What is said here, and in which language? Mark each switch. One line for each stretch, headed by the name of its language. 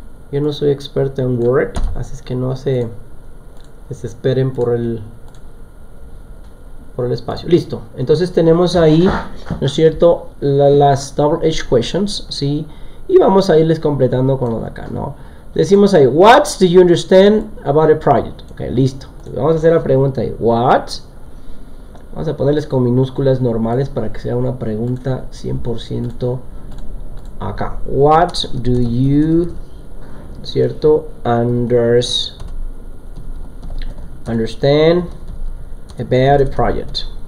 Spanish: Yo no soy experto en Word, así es que no se desesperen por el espacio. Listo. Entonces tenemos ahí, ¿no es cierto?, las
English: double edge questions,
Spanish: ¿sí? Y vamos a irles completando con lo de acá, ¿no? Decimos ahí,
English: what do you understand about a project?
Spanish: Ok, listo. Entonces vamos a hacer la pregunta ahí, what? Vamos a ponerles con minúsculas normales para que sea una pregunta 100% acá.
English: What do you, ¿cierto?, understand about a project.